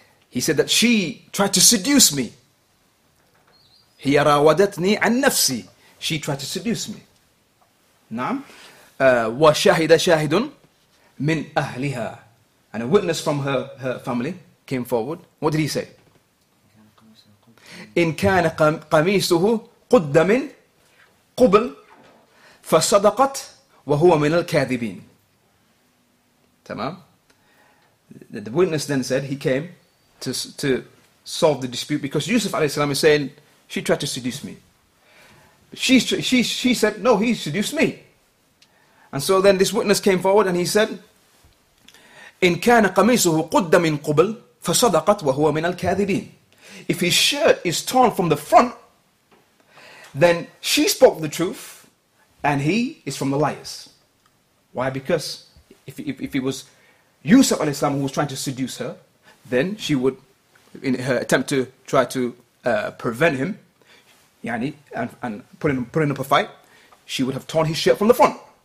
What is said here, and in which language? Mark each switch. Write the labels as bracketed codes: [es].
[en] He said that she tried to seduce me. [ar] هي راودتني عن نفسي. [en] She tried to seduce me. [ar] نعم. وشاهد شاهد من أهلها. [en] And a witness from her family came forward. What did he say? [ar] إن كان قميصه قد من قبل فصدقت وهو من الكاذبين. Tamam. [en] The witness then said he came to solve the dispute because Yusuf alayhi salam is saying she tried to seduce me. She said no, he seduced me. And so then this witness came forward and he said, [ar] إن كان قميصه قد من قبل فصدقت وهو من الكاذبين. [en] If his shirt is torn from the front, then she spoke the truth and he is from the liars. Why? Because if it was Yusuf alayhi salam who was trying to seduce her, then she would, in her attempt to try to prevent him, yani, and put in up a fight, she would have torn his shirt from the front.